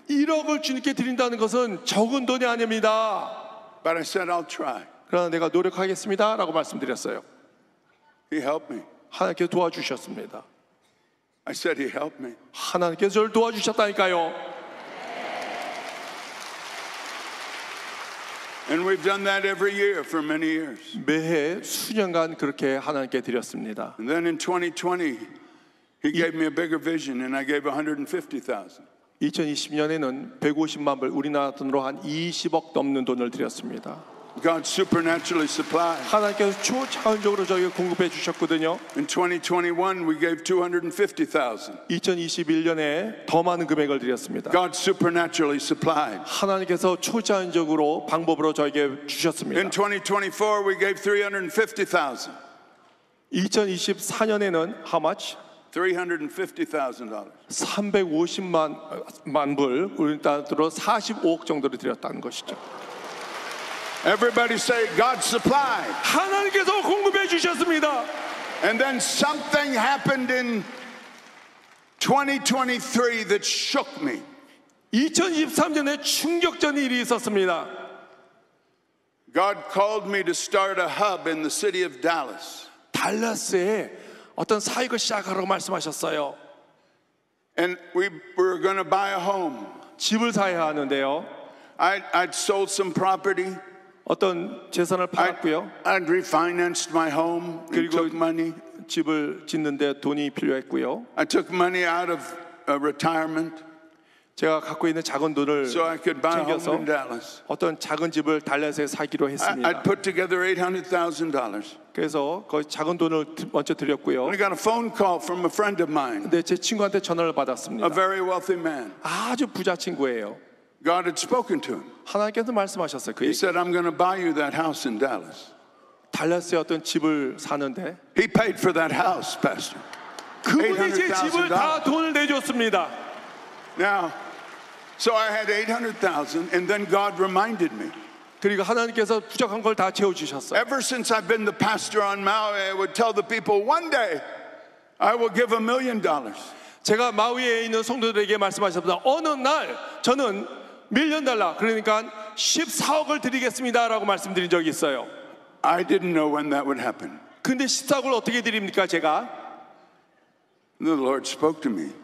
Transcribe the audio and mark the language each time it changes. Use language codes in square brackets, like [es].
[ko] 1억을 주님께 드린다는 것은 적은 돈이 아닙니다. [en] But I said I'll try. [ko] 그러나 내가 노력하겠습니다라고 말씀드렸어요. [en] He helped me. [ko] 하나님께서 도와주셨습니다. [en] I said he helped me. [ko] 하나님께서 저를 도와주셨다니까요. [en] And we've done that every year for many years. [ko] 매해 수년간 그렇게 하나님께 드렸습니다. [en] And then in 2020, he gave me a bigger vision, and I gave 150,000. [ko] 2020년에는 150만 불 우리나라 돈으로 한 20억 넘는 돈을 드렸습니다. [en] God supernaturally supplied. [ko] 하나님께서 초자연적으로 저에게 공급해 주셨거든요. [en] In 2021, we gave 250,000. [ko] 2021년에 더 많은 금액을 드렸습니다. [en] God supernaturally supplied. [ko] 하나님께서 초자연적으로 방법으로 저에게 주셨습니다. [en] In 2024, we gave 350,000. [ko] 2024년에는 [en] how much? $350,000. [ko] 350만 불 우리나라로 45억 정도를 드렸다는 것이죠. [en] Everybody say God supplied. [ko] 하나님께서 공급해 주셨습니다. [en] And then something happened in 2023 that shook me. [ko] 2023년에 충격적인 일이 있었습니다. [en] God called me to start a hub in the city of Dallas. [ko] 달라스에 어떤 사역을 시작하라고 말씀하셨어요. [en] And we were going to buy a home. [ko] 집을 사야 하는데요. [en] I'd sold some property. [ko] 어떤 재산을 팔았고요. [en] I'd refinanced my home. And took money. [ko] 집을 짓는데 돈이 필요했고요. [en] I took money out of a retirement. [ko] 제가 갖고 있는 작은 돈을 챙겨서 어떤 작은 집을 달랏에 사기로 했습니다. [en] I put together $800,000. [ko] 그래서 그 작은 돈을 먼저 드렸고요. [en] I got a phone call from a friend of mine. [ko] 근데 제 친구한테 전화를 받았습니다. [en] A very wealthy man. [ko] 아주 부자 친구예요. [en] God had spoken to him. [ko] 하나님께서 말씀하셨어요. 그 [en] He said, "I'm going to buy you that house in Dallas." [ko] 달랏에 어떤 집을 사는데. [en] He paid for that house, Pastor. [ko] 그분이 제 집을 다 돈을 내줬습니다. [en] Now, so I had 800,000, and then God reminded me. [ko] 그리고 하나님께서 부족한 걸 다 채워주셨어요. [en] Ever since I've been the pastor on Maui, I would tell the people, "One day, I will give $1 million." [ko] 제가 마우이에 있는 성도들에게 말씀하셨다. 어느 날 저는 밀리언 달러, 그러니까 14억을 드리겠습니다라고 말씀드린 적이 있어요. [en] I didn't know when that would happen. [ko] 근데 14억을 어떻게 드립니까, 제가? [en] The Lord spoke to me.